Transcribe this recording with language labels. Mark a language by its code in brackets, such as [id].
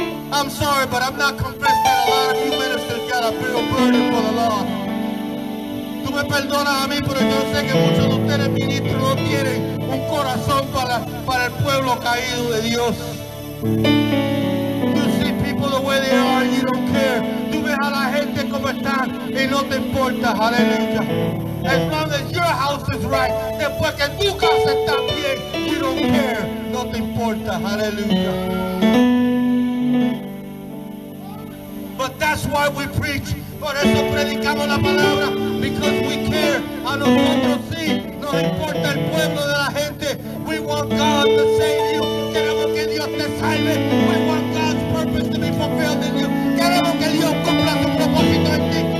[en] I'm sorry, but I've not confessed that a lot of you ministers got a real burden for the lost. [es] Tú me perdonas a mí, pero yo sé que muchos de ustedes ministros no tienen un corazón para el pueblo caído de Dios. [en] You see people the way they are and you don't care. [es] Tú ves a la gente como está y no te importa, aleluya. [en] As long as your house is right, [es] después que tu casa está bien, [en] you don't care, [es] no te importa, aleluya. [en] But that's why we preach. [es] Por eso predicamos la palabra. [en] Because we care. [es] A nosotros sí. No importa el pueblo de la gente. [en] We want God to save you. [es] Queremos que Dios te salve. [en] We want God's purpose to be fulfilled in you. [es] Queremos que Dios cumpla su propósito en ti.